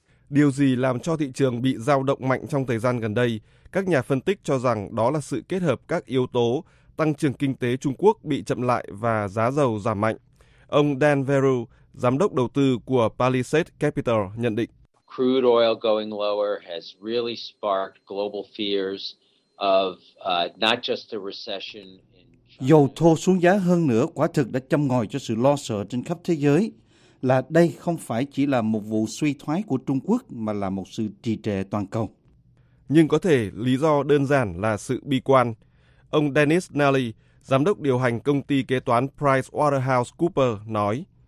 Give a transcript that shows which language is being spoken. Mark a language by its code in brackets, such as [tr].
[vi] Điều gì làm cho thị trường bị dao động mạnh trong thời gian gần đây? Các nhà phân tích cho rằng đó là sự kết hợp các yếu tố tăng trưởng kinh tế Trung Quốc bị chậm lại và giá dầu giảm mạnh. Ông Dan Veru, giám đốc đầu tư của Palisade Capital, nhận định. [en] Crude oil going lower has really sparked global fears of not just the recession. [vi] Dầu thô xuống giá hơn nữa quả thực đã châm ngòi cho sự lo sợ trên khắp thế giới là đây không phải chỉ là một vụ suy thoái của Trung Quốc mà là một sự trì trệ toàn cầu. Nhưng có thể lý do đơn giản là sự bi quan. Ông Dennis Nally, giám đốc điều hành công ty kế toán PricewaterhouseCoopers, nói.